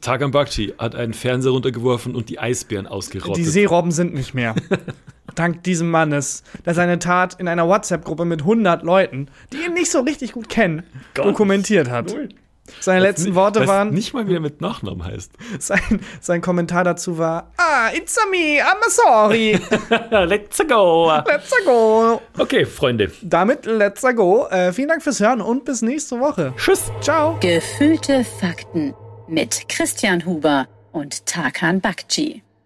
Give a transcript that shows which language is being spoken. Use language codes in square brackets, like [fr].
[de] Tarkan Bakci hat einen Fernseher runtergeworfen und die Eisbären ausgerottet. Die Seerobben sind nicht mehr. Dank diesem Mannes, der seine Tat in einer WhatsApp-Gruppe mit 100 Leuten, die ihn nicht so richtig gut kennen, dokumentiert hat. Null. Seine letzten Worte waren nicht mal, wie er mit Nachnamen heißt. Sein Kommentar dazu war, [en] it's a me, I'm sorry. Let's go. Let's go. [de] Okay, Freunde. Damit [en] let's go. [de] Vielen Dank fürs Hören und bis nächste Woche. Tschüss. Ciao. Gefühlte Fakten mit Christian Huber und Tarkan Bakci.